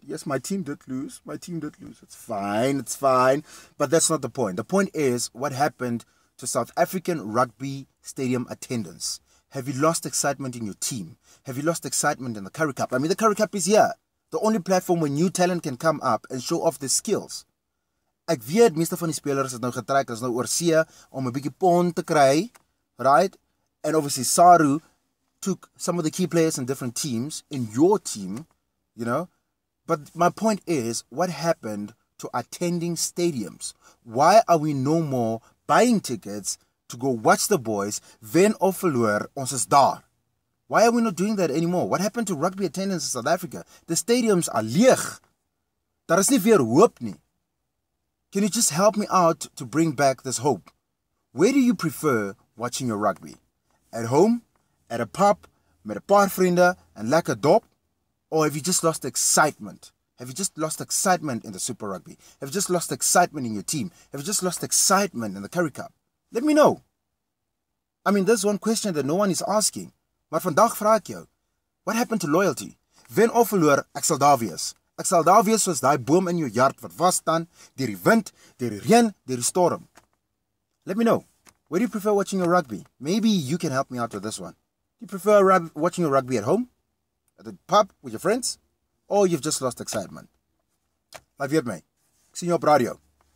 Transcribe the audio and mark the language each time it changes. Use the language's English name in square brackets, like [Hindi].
[English] Yes, my team did lose. My team did lose. It's fine. It's fine. But that's not the point. The point is what happened to South African rugby stadium attendance. Have you lost excitement in your team? Have you lost excitement in the Currie Cup? I mean, the Currie Cup is here. The only platform where new talent can come up and show off their skills. [Afrikaans] Ek weet, meeste van die spelers het nou getrek, is nou oor see om 'n bietjie pond te kry, right? [English] And obviously, Saru took some of the key players in different teams, in your team, you know? But my point is, what happened to attending stadiums? Why are we no more buying tickets to go watch the boys, wen of verloor, ons is daar? Why are we not doing that anymore? What happened to rugby attendance in South Africa? The stadiums are leeg. Daar is nie weer hoop nie. Can you just help me out to bring back this hope? Where do you prefer watching your rugby? At home? At a pub? Met a paar vrienden? And lack a dop? Or have you just lost excitement? Have you just lost excitement in the Super Rugby? Have you just lost excitement in your team? Have you just lost excitement in the Currie Cup? Let me know. I mean, there's one question that no one is asking. [Afrikaans] Maar vandag vraag ek jou. [English] What happened to loyalty? [Afrikaans] Wen of verloor, ek sal daar wees. Ek sal daar wees soos die boom in jou yard wat vas staan, deur die wind, deur die reën, deur die storm. [English] Let me know. Where do you prefer watching your rugby? Maybe you can help me out with this one. Do you prefer watching your rugby at home? At the pub with your friends? Or you've just lost excitement? Love you, mate. See you op radio.